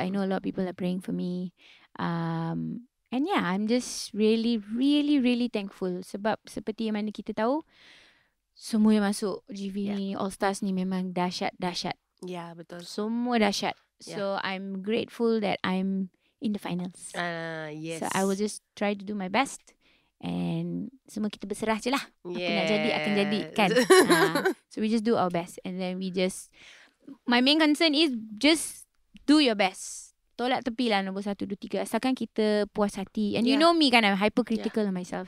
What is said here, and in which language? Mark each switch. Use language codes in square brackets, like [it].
[en] I know a lot of people are praying for me. And yeah, I'm just really, really, really thankful. [ms] Sebab seperti yang mana kita tahu, semua yang masuk GV ni, All Stars ni memang dahsyat. [en] Yeah, betul. [ms] Semua dahsyat. Yeah. [en] So I'm grateful that I'm in the finals. Yes. So I will just try to do my best. And [ms] semua kita berserah je lah. Apa nak jadi, akan jadi kan. [en] So we just do our best. And then we just, my main concern is just do your best. [ms] Tolak tepi lah nombor 1, 2, 3. Asalkan kita puas hati. [en] And you know me kan, I'm hypercritical on myself.